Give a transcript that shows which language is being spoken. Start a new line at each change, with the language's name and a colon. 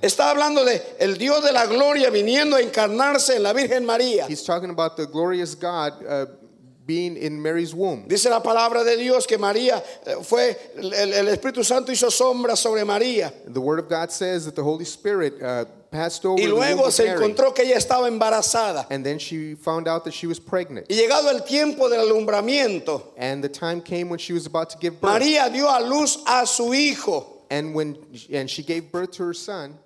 Spanish: Está hablando de el Dios de la gloria viniendo a encarnarse en la Virgen María.
English: He's talking about the glorious God being in Mary's womb.
Spanish: Dice la palabra de Dios que María fue el Espíritu Santo hizo sombra sobre María.
English: The word of God says that the Holy Spirit passed over
Spanish: y luego
English: the womb
Spanish: se encontró que ella estaba embarazada.
English: And then she found out that she was pregnant.
Spanish: Y llegado el tiempo del alumbramiento,
English: and the time came when she was about to give birth.
Spanish: María dio a luz a su hijo.
English: And when and she gave birth to her son,